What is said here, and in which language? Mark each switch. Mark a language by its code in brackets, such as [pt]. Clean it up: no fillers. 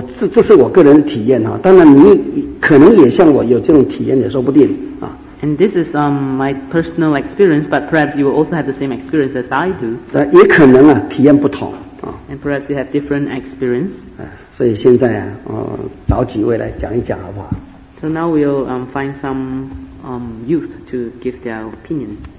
[zh] 这是我个人的体验啊, 当然你可能也像我有这种体验也说不定啊。 [en] And this is my personal experience, but perhaps you will also have the same experience as I do. [zh] 也可能啊, 体验不同, [en] and perhaps you have different experience. [zh] 所以现在啊, 找几位来讲一讲好不好? [en] So now we'll find some youth to give their opinion.